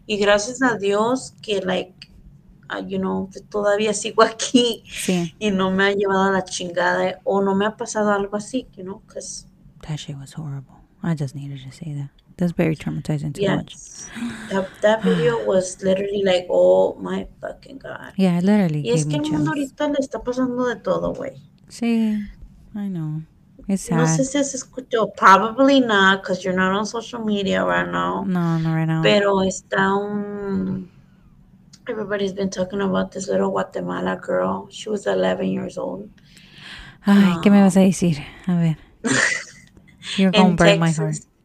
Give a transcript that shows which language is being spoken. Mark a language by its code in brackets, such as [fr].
[es] Y gracias a Dios que, [en] like, you know, [es] todavía sigo aquí. Sí. Y no me ha llevado a la chingada o no me ha pasado algo así, [en] you know, because that shit was horrible. I just needed to say that. That's very traumatizing to watch. That video was literally like, oh my fucking God. Yeah, literally. [es] Y es que el mundo ahorita le está pasando de todo, güey. Sí, [en] I know. It's sad. [es] No sé si has escuchado. [en] Probably not, because you're not on social media right now. No, not right now. [es] Pero está un... [en] Everybody's been talking about this little Guatemala girl. She was 11 years old. [es] Ay, ¿qué me vas a decir? A ver. [en] You're going to break my heart.